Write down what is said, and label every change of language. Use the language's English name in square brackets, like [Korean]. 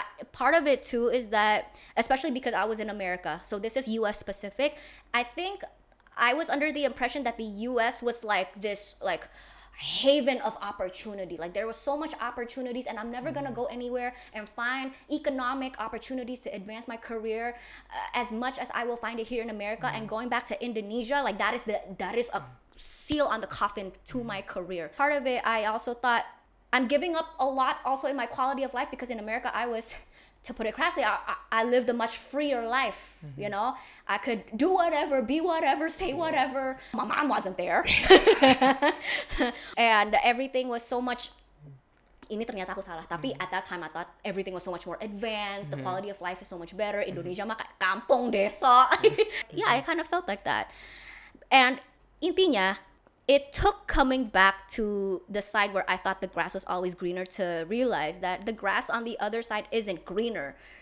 [English] part of it too is that, especially because I was in America, so this is US specific, I think I was under the impression that the US was like this like haven of opportunity, like there was so much opportunities, and I'm never gonna go anywhere and find economic opportunities to advance my career as much as I will find it here in America, and going back to Indonesia, like that is a seal on the coffin to my career. Part of it, I also thought, I'm giving up a lot also in my quality of life, because in America, I was, to put it crassly, I lived a much freer life, mm-hmm. you know? I could do whatever, be whatever, say yeah. whatever. My mom wasn't there. And everything was so much, [Indonesian] ini ternyata aku salah. [English] Tapi at that time, I thought everything was so much more advanced. Mm-hmm. The quality of life is so much better. [Indonesian] Indonesia mah kayak kampung desa. [English] Yeah, I kind of felt like that. And intinya, it took coming back to the side where I thought the grass was always greener to realize that the grass on the other side isn't greener.